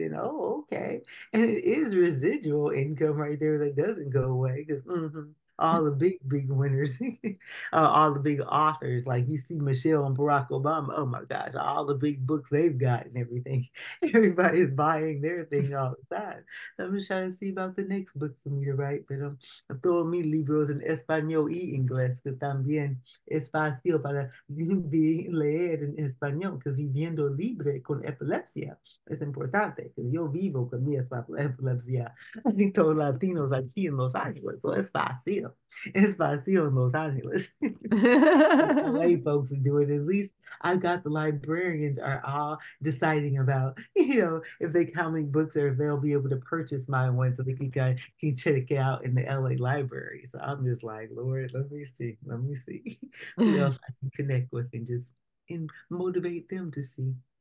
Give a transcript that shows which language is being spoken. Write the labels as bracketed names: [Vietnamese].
[English] And oh, okay. And it is residual income right there that doesn't go away, because all the big winners, all the big authors, like you see Michelle and Barack Obama. Oh my gosh, all the big books they've got and everything. Everybody's buying their thing all the time. So I'm just trying to see about the next book for me to write. But I'm throwing me [Spanish] libros en español y inglés, que también es fácil para leer en español, [English] because [Spanish] viviendo libre con epilepsia es importante, because yo vivo con mi epilepsia. [English] I think [Spanish] todos latinos aquí en Los Ángeles, [English] so [Spanish] es fácil. [English] It's [Spanish] fácil [English] in Los Angeles. LA folks are doing it. At least I've got the librarians are all deciding about, if they how many books are they'll be able to purchase my one so they can check it out in the LA library. So I'm just like, Lord, let me see. Let me see who else I can connect with and just and motivate them to see.